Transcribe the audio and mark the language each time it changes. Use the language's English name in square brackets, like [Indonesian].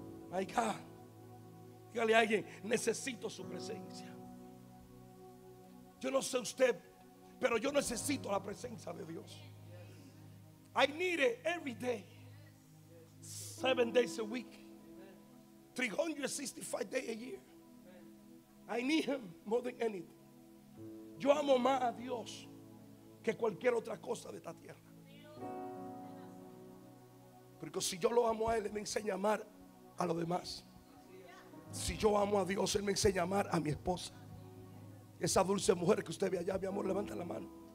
[English] My God. [Spanish] Dígale a alguien: necesito su presencia. Yo no sé usted, pero yo necesito la presencia de Dios. [English] I need it every day, 7 days a week, 365 days a year. I need him more than anything. [Spanish] Yo amo más a Dios que cualquier otra cosa de esta tierra. Porque si yo lo amo a Él, Él me enseña a amar a los demás. Si yo amo a Dios, Él me enseña a amar a mi esposa. Esa dulce mujer que usted ve allá, mi amor, levanta la mano.